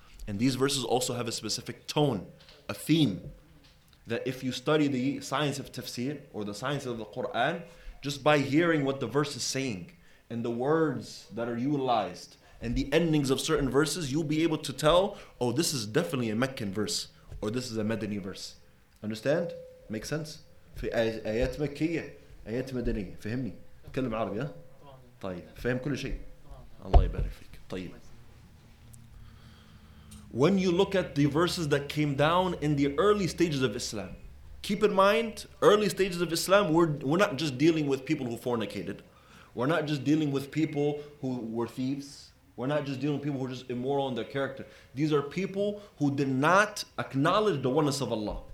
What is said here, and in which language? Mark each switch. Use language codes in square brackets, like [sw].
[en] And these verses also have a specific tone, a theme, that if you study the science of tafsir or the science of the Quran, just by hearing what the verse is saying and the words that are utilized and the endings of certain verses, you'll be able to tell, oh, this is definitely a Meccan verse or this is a Medini verse. Understand? Make sense? [ar] في آيات مكية آيات مدنية فهمني تكلم عربي طيب فهم كل شيء الله يبارك فيك طيب. [en] When you look at the verses that came down in the early stages of Islam, keep in mind, early stages of Islam, we're not just dealing with people who fornicated. We're not just dealing with people who were thieves. We're not just dealing with people who are just immoral in their character. These are people who did not acknowledge the oneness of Allah.